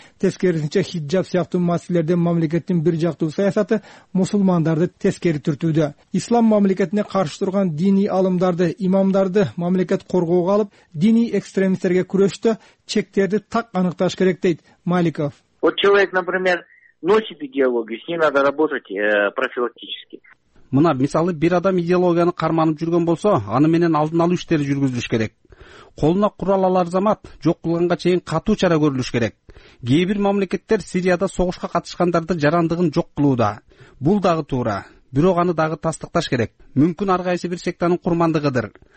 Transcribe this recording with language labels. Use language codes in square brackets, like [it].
[ky] Тескерисинче хиджаб сыяктуу маселелерде мамлекеттин бир жактуу саясаты мусулмандарды тескери түртүүдө. Ислам мамлекетине каршы турган диний алымдарды, имамдарды мамлекет коргоого алып, диний экстремисттерге күрөштө чектерди так аныкташ керек дейт Маликов. [ru] Вот человек, например, носит идеологию, с ней надо работать профилактически. [ky] Мына мисалы бир адам идеологияны карманып жүргөн болсо, аны менен алдын алуу иштери жүргүзүлүш керек. Колуна курал алар замат, жок кылганга чейин катуу чара көрүлүш керек. Кээ бир мамлекеттер Сирияда согушка катышкандарды жарандыгын жок кылууда. Бул дагы туура, бирок аны дагы тастыкташ керек. Мүмкүн ар кайсы бир сектанын курмандыгыдыр.